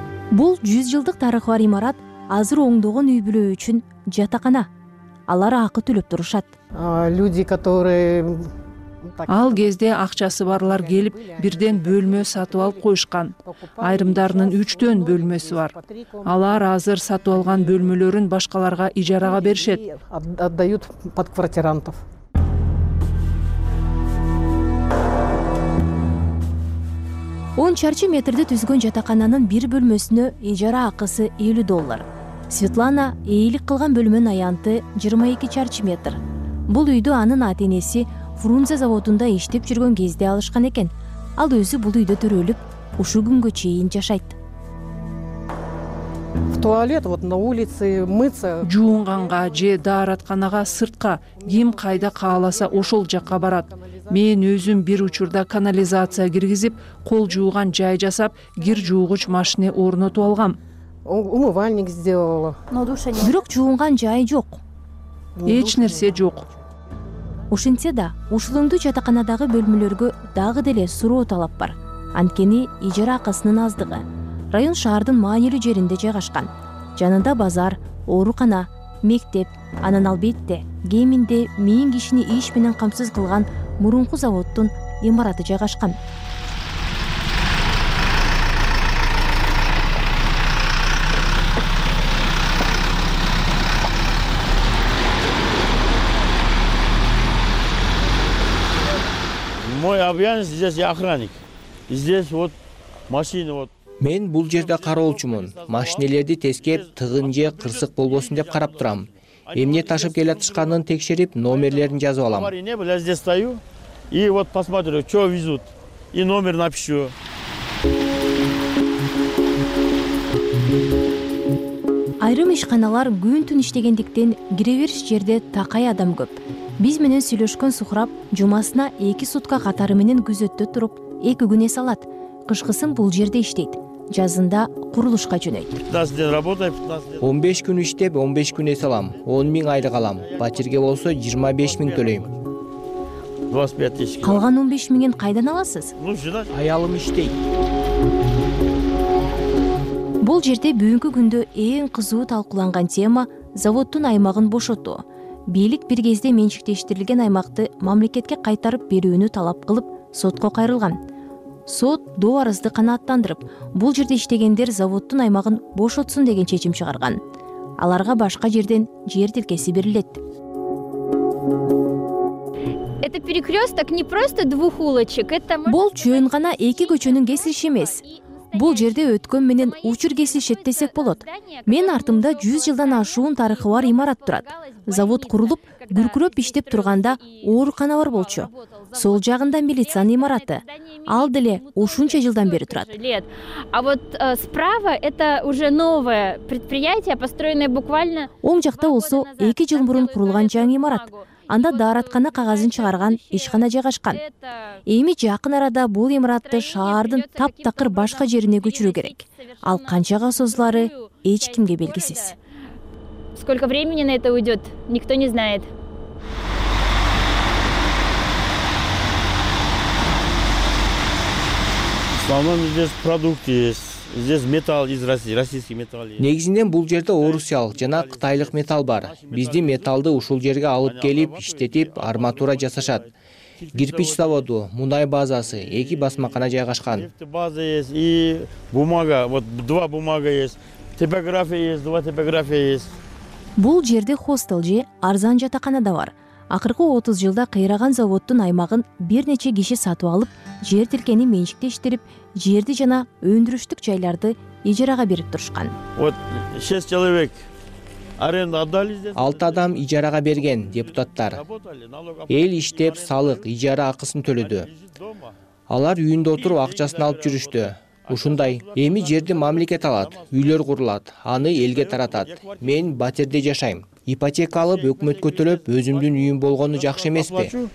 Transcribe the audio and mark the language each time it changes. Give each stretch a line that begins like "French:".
Kyrgyz: Бул 100 жылдык тарыхы бар имарат азыр оңдогон үй бүлө үчүн жатакана. Алар акы төлөп турушат.
Russian: Люди, которые
Kyrgyz: Ал кезде акчасы барлар келип, бирден бөлмө сатып алып коюшкан. Айрымдарынын 3-4 бөлмөсү бар. Алар азыр сатып алган бөлмөлөрүн башкаларга ижарага беришет.
Russian: Отдают под квартирантов.
Kyrgyz: Он чарчы метрди түзгөн жатакананын бир бөлмөсүнө ижара акысы $50. Светлана ээлик кылган бөлмөнүн аянты 22 чарчы метр. Бул үйдү анын атенеси Фрунзе заводунда иштеп жүргөн кезде алышкан экен. Ал өзү бул үйдө төрөлүп, ушу күнгө чейин жашайт.
Russian: В туалет вот на улице мыться.
Kyrgyz: Жуунганга же дааратканага сыртка ким кайда кааласа ошол жакка барат. Мен өзүм бир учурда канализация киргизип, кол жууган жай жасап, кир жуугуч машине орнотуп алгам.
Russian: Умывальник сделала. Но душа нет.
Kyrgyz: Бирок жуунган жай жок. Эч нерсе жок. Ошентсе да, ушулумду жатаканадагы бөлмөлөргө дагы деле суроо талап бар. Анткени ижара акысынын аздыгы. Район шаардын маанилүү жеринде жайгашкан. Жанында базар, оорукана, мектеп, анан албетте кеминде миң кишини иш менен камсыз кылган мурунку заводдун имараты жайгашкан.
Russian: Мой обязанность здесь я охранник. Здесь вот машина вот.
Kyrgyz: Мен бул жерде кароолчумун. Машинелерди тескеп, тыгын же кырсык болбосун деп карап турам. Эмне ташып келе жатканын текшерип, номерлерин жазып алам.
Russian: Я здесь стою и вот посмотрю, что везут и номер напишу.
Kyrgyz: Айрым ишканалар күн-түн иштегендиктен кирериш жерде такай адам көп. Биз менен сүйлөшкөн Сухрап жумасына 2 сутка катары менен күзөттө туруп, 2 күн эс алат. Кышкысын бул жерде иштейт. Жазында курулушка жөнөйт. 15 күн иштеп, 15 күн эс алам. 10,000 айлык алам. Батирге болсо 25,000 төлөйм. Калган 15,000 кайдан аласыз? Аялым иштейт. Бул жерде бүгүнкү күндө эң кызуу талкууланган тема заводдун аймагын бошотуу. Бийлик бир кезде менчиктештирилген аймакты мамлекетке кайтарып берүүнү талап кылып, сотко кайрылган. Сот доо арызды канааттандырып, бул жерде иштегендер заводдун аймагын бошотсун деген чечим чыгарган. Аларга башка жерден жер тилкеси берилет.
Russian: Это перекрёсток не просто двух улочек, это
Kyrgyz: бул чөйүн гана 2 көчөнүн кесилиши эмес. Бул жерде өткөн менен учур кесилишет десек болот. Мен артымда 100 жылдан ашуун тарыхы бар имарат турат. Завод курулуп, күркүрөп иштеп турганда оорукана бар болчу. Сол жагында милициянын имараты. Ал деле ушунча жылдан бери турат.
Russian: А вот справа это уже новое предприятие, построенное буквально.
Kyrgyz: Оң жакта болсо 2 жыл мурун курулган жаңы имарат. Анда дааратканы кагазын чыгарган ишкана жайгашкан. Эми жакын арада бул имаратты шаардын таптакыр башка жерине көчүрүү керек. Ал канчага созулары эч кимге белгисиз.
Russian: Сколько времени на это уйдет, никто не знает. В основном здесь продукты есть. Здесь металл из России, российский металл.
Kyrgyz: Негизинен бул жерде орусиялык жана кытайлык металл бар. Бизди металлды ушул жерге алып келип, иштетип, арматура жасашат. Кирпич заводу, мунай базасы, 2 басмакана жайгашкан.
Russian: База есть и бумага, вот 2 бумага есть. Типография есть, 2 типография есть.
Kyrgyz: Бул жерде хостел же арзан жатакана да бар. Акыркы 30 жылда кыйраган заводдун аймагын бир нече киши сатып алып, жер тилкени менчиктештирип, жерди жана өндүрүштүк жайларды ижарага берип турушкан.
Russian: Вот 6 человек аренда отдали здесь.
Kyrgyz: 6 адам ижарага берген депутаттар. Эл иштеп, салык, ижара акысын төлөдү. Алар үйүндө отуруп акчасын алып жүрүштү. Ушундай, эми жерди мамлекет алат, үйлөр курулат, аны элге таратат. Мен батирде жашайм. Ипотека алып, өкмөткө төлөп, өзүмдүн үйүм болгону жакшы эмеспи?